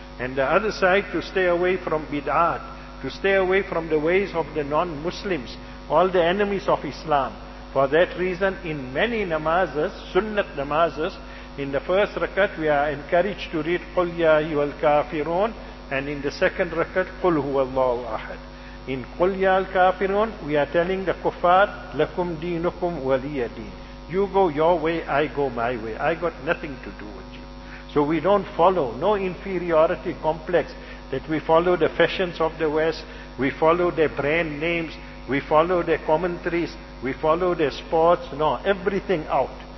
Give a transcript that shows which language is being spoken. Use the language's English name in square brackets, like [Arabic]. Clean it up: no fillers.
[English] And the other side, to stay away from bid'at, to stay away from the ways of the non-Muslims, all the enemies of Islam. For that reason, in many namazes, sunnat namazes, in the first rakat, we are encouraged to read [Arabic] قُلْ يَا أَيُّهَا الْكَافِرُونَ, [English] and in the second rakat, [Arabic] قُلْ هُوَ اللَّهُ أَحَدٌ. [English] In [Arabic] قُلْ يَا الْكَافِرُونَ, [English] we are telling the kuffar, [Arabic] لَكُمْ دِينُكُمْ وَلِيَ دِينَ. [English] You go your way, I go my way. I got nothing to do with you. So we don't follow, no inferiority complex, that we follow the fashions of the West, we follow their brand names, we follow their commentaries, we follow their sports, no, everything out.